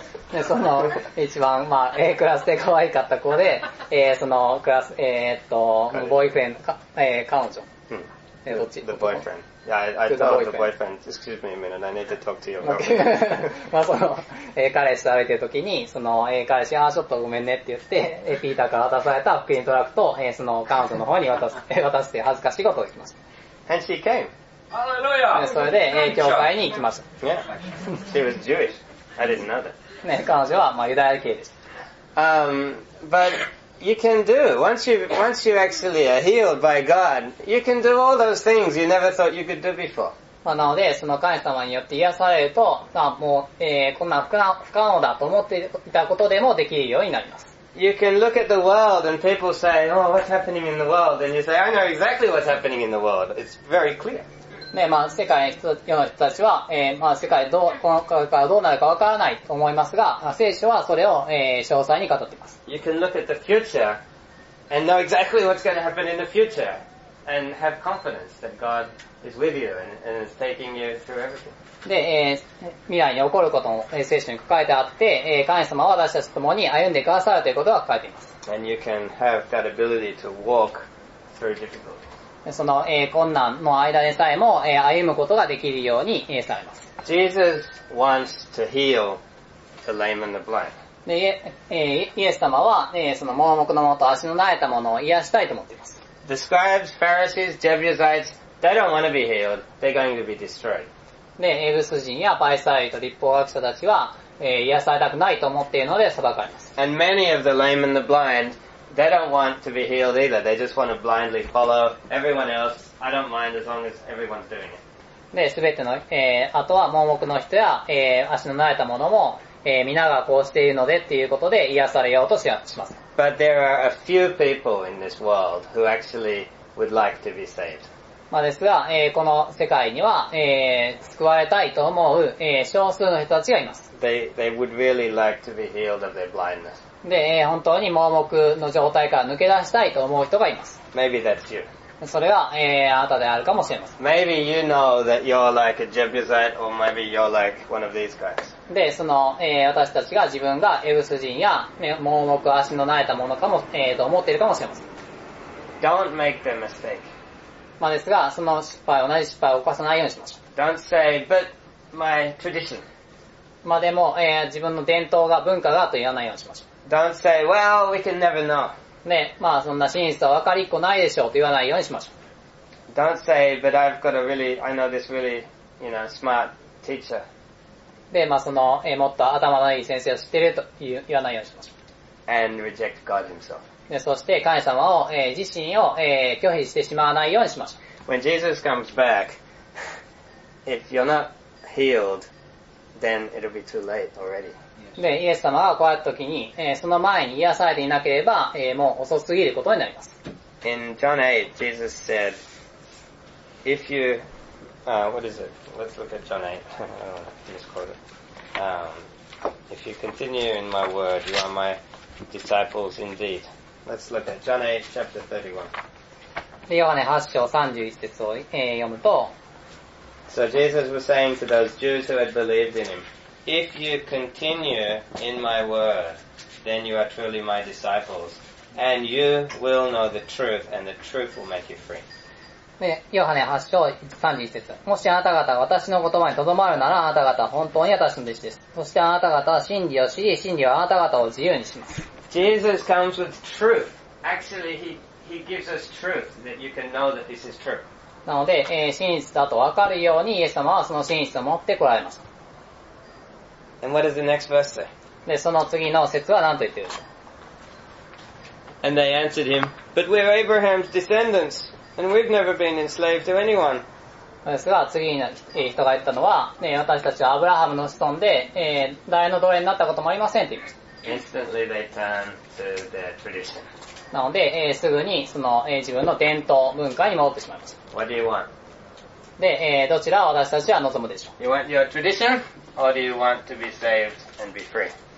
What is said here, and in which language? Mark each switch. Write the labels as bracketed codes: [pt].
[ja] で、その、一番、まぁ、あ、クラスで可愛かった子で、そのクラス、ボーイフレンド、彼女。どっち [en] The boyfriend. Yeah, I told the boyfriend, excuse me a minute, I need to talk to your girlfriend. [ja] まぁ、あ、その、彼氏と歩いてる時に、その、彼氏、あぁ、ちょっとごめんねって言って、ピーターから渡された福音トラクトを、その彼女の方に渡して恥ずかしいことをしました。 [en] And she came. [ja] ね、それで、教会に行きました。 [en] Yeah. She was Jewish. I didn't know that. [ja] ね、彼女は、まあ、ユダヤ系です。 [en] But you can do. Once you actually are healed by God, you can do all those things you never thought you could do before. [ja] まあ、なので、その神様によって癒されると、まあ、もう、こんな不可能だと思っていたことでもできるようになります。 [en] You can look at the world and people say, oh, what's happening in the world? And you say, I know exactly what's happening in the world. It's very clear. [ja] ね、まあ、世界の人たちは、まあ、世界どう、この世界からどうなるかわからないと思いますが、まあ、聖書はそれを、詳細に語っています。 [en] You can look at the future and know exactly what's going to happen in the future and have confidence that God is with you and is taking you through everything. [ja] で、未来に起こることも、聖書に書かれてあって、神様は私たちと共に歩んでくださるということが書かれています。 [en] And you can have that ability to walk through difficulty. [ja] その、困難の間でさえも、歩むことができるように、されます。 [en] Jesus wants to heal the lame and the blind. [ja] で、イエス様は、その盲目のもと足のなれたものを癒したいと思っています。 [en] The scribes, Pharisees, Jebusites, they don't want to be healed. They're going to be destroyed. [ja] で、エブス人やパリサイ人、立法学者たちは、癒されたくないと思っているので裁かれます。 [en] And many of the lame and the blindThey don't want to be healed either. They just want to blindly follow everyone else. I don't mind as long as everyone's doing it. [ja] で、すべての、あとは盲目の人や、足の慣れた者も、皆がこうしているのでっていうことで癒されようとします。 [en] But there are a few people in this world who actually would like to be saved. [ja] まあ、ですが、この世界には、救われたいと思う、少数の人たちがいます。 [en] They would really like to be healed of their blindness. [ja] で、本当に盲目の状態から抜け出したいと思う人がいます。 [en] Maybe that's you. [ja] それは、あなたであるかもしれません。 [en] Maybe you know that you're like a Jebusite or maybe you're like one of these guys. [ja] で、その、私たちが自分がエブス人や、盲目足のなえたものかも、と思っているかもしれません。 [en] Don't make the mistake. [ja] まあ、ですが、その失敗、同じ失敗を犯さないようにしましょう。 [en] Don't say, but my tradition. [ja] まあでも、自分の伝統が、文化がと言わないようにしましょう。 [en] Don't say, well, we can never know. [ja] ね、まあそんな真実は分かりっこないでしょうと言わないようにしましょう。 [en] Don't say, but I've got a really, I know this really, you know, smart teacher. [ja] で、まあその、もっと頭のいい先生を知っていると言わないようにしましょう。 [en] And reject God himself. [ja] でそして神様を、自身を、拒否してしまわないようにしましょう。 [en] When Jesus comes back, if you're not healed, then it'll be too late already. [ja] で、イエス様が来られた時に、その前に癒されていなければ、もう遅すぎることになります。 [en] In John 8, Jesus said, if you, what is it? Let's look at John 8. I don't want to misquote it. If you continue in my word, you are my disciples indeed. Let's look at John 8, chapter 31. [ja] ヨハネ8章31節を、読むと [en] So Jesus was saying to those Jews who had believed in him, If you continue in my word, then you are truly my disciples, and you will know the truth, and the truth will make you free. [ja] ヨハネ8章31節もしあなた方が私の言葉にとどまるなら、あなた方は本当に私の弟子です。そしてあなた方は真理を知り、真理はあなた方を自由にします。 [en] Jesus comes with truth. Actually, he gives us truth that you can know that this is true. [ja] なので、真実だと分かるようにイエス様はその真実を持ってこられました。 [en] And what does the next verse say? [ja] で、その次の節は何と言っているでしょう? [en] And they answered him, But we're Abraham's descendants, and we've never been enslaved to anyone. [ja] ですが、次に人が言ったのは、私たちはアブラハムの子孫で、誰の奴隷になったこともありませんと言いました。 [en] Instantly they turn to their tradition. [ja] なので、すぐにその、自分の伝統文化に戻ってしまいました。 [en] What do you want? [ja] で、どちらを私たちは望むでしょう。 [en] You want your tradition, or do you want to be saved and be free?